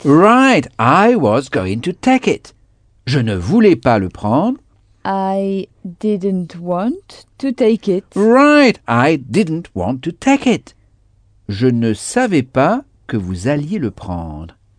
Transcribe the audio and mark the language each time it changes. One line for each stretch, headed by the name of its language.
English: Right, I was going to take it.
French: Je ne voulais pas le prendre.
English: I didn't want to take it. Right, I didn't want to take it.
French: Je ne savais pas que vous alliez le prendre.